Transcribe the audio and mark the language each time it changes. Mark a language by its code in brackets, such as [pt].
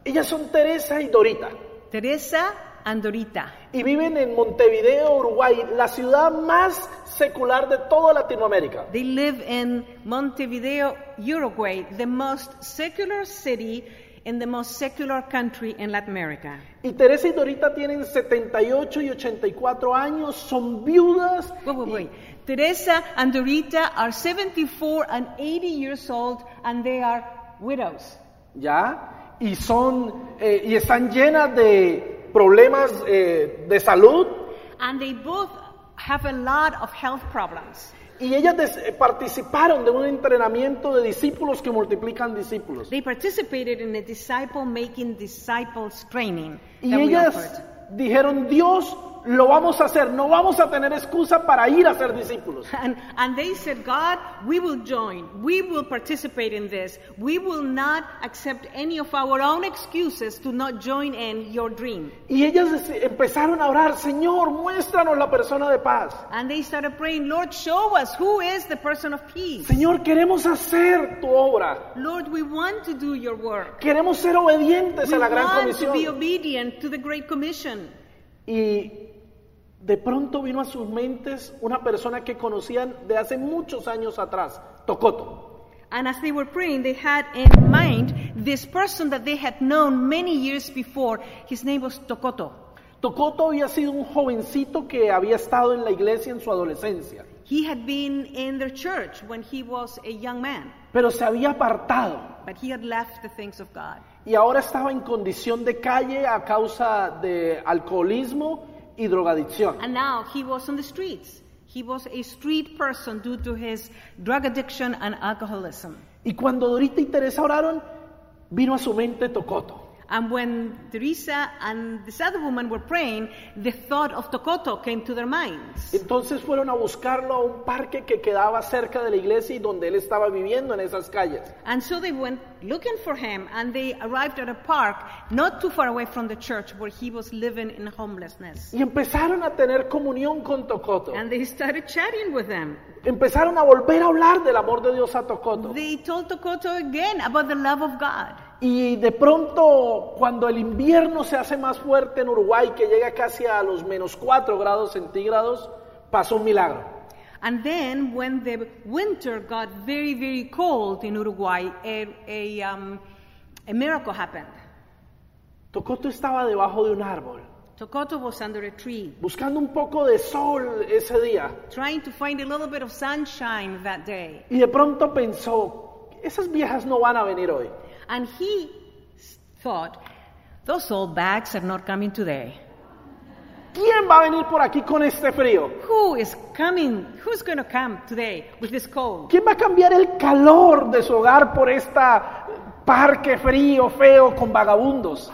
[es] Ellas son Teresa y Dorita. [en] Teresa and Dorita. [es] Y viven en Montevideo, Uruguay, la ciudad más secular de toda Latinoamérica. [en] They live in Montevideo, Uruguay, the most secular city in the most secular country in Latin America. [es] Y Teresa y Dorita tienen 78 y 84 años, son viudas. [en] Wait. Teresa and Dorita are 74 and 80 years old, and they are widows. [es] Ya, y son, y están llenas de problemas de salud. [en] And they both have a lot of health problems. [es] Y ellas participaron de un entrenamiento de discípulos que multiplican discípulos. [en] They participated in a disciple-making disciples training. [es] Y ellas dijeron, Dios, lo vamos a hacer. No vamos a tener excusa para ir a ser discípulos. [en] And they said, God, we will join. We will participate in this. We will not accept any of our own excuses to not join in your dream. [es] Y ellas empezaron a orar, Señor, muéstranos la persona de paz. [en] And they started praying, Lord, show us who is the person of peace. [es] Señor, queremos hacer tu obra. [en] Lord, we want to do your work. [es] Queremos ser obedientes [en] we [es] a la gran comisión. [en] We want to be obedient to the great commission. [es] Y de pronto vino a sus mentes una persona que conocían de hace muchos años atrás, Tokoto. [en] And as they were praying, they had in mind this person that they had known many years before. His name was Tokoto. [es] Tokoto había sido un jovencito que había estado en la iglesia en su adolescencia. [en] He had been in their church when he was a young man. [es] Pero se había apartado. [en] But he had left the things of God. [es] Y ahora estaba en condición de calle a causa de alcoholismo y drogadicción. [en] And now he was on the streets. He was a street person due to his drug addiction and alcoholism. [es] Y cuando Dorita y Teresa oraron, vino a su mente Tokoto. [en] And when Teresa and this other woman were praying, the thought of Tokoto came to their minds. [es] Entonces fueron a buscarlo a un parque que quedaba cerca de la iglesia y donde él estaba viviendo en esas calles. [en] And so they went looking for him, and they arrived at a park not too far away from the church where he was living in homelessness. [es] Y empezaron a tener comunión con Tokoto. [en] And they started chatting with him. [es] Empezaron a volver a hablar del amor de Dios a Tokoto. [en] They told Tokoto again about the love of God. [es] Y de pronto, cuando el invierno se hace más fuerte en Uruguay, que llega casi a los menos 4 grados centígrados, pasó un milagro. [en] And then, when the winter got very, very cold in Uruguay, a miracle happened. [es] Tokoto estaba debajo de un árbol. [en] Tokoto was under a tree. [es] Buscando un poco de sol ese día. [en] Trying to find a little bit of sunshine that day. [es] Y de pronto pensó, esas viejas no van a venir hoy. [en] And he thought, those old bags are not coming today. [es] ¿Quién va a venir por aquí con este frío? [en] Who is coming? Who's going to come today with this cold? [es] ¿Quién va a cambiar el calor de su hogar por este parque frío, feo, con vagabundos?